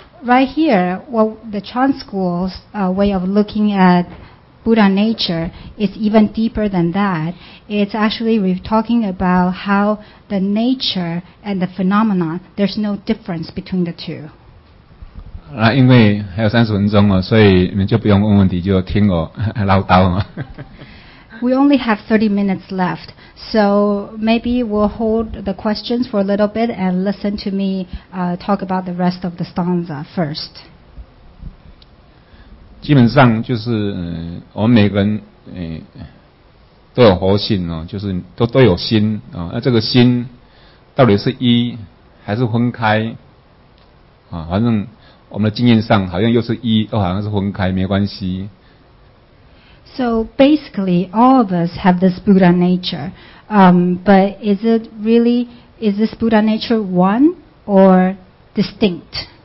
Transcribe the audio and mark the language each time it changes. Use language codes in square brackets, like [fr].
[en] Right here, well, the Chan school's way of looking at Buddha nature is even deeper than that. It's actually talking about how the nature and the phenomenon, there's no difference between the two. [zh] 那因为还有30分钟哦，所以你们就不用问问题，就听我唠叨嘛。 [en] We only have 30 minutes left, so maybe we'll hold the questions for a little bit and listen to me talk about the rest of the stanza first. [zh] 基本上就是我们每个人都有佛性哦，就是都有心啊。那这个心到底是一还是分开啊？反正我们的经验上好像又是一，又好像是分开，没关系。 [en] So basically, all of us have this Buddha nature. But is it really, is this Buddha nature one or distinct?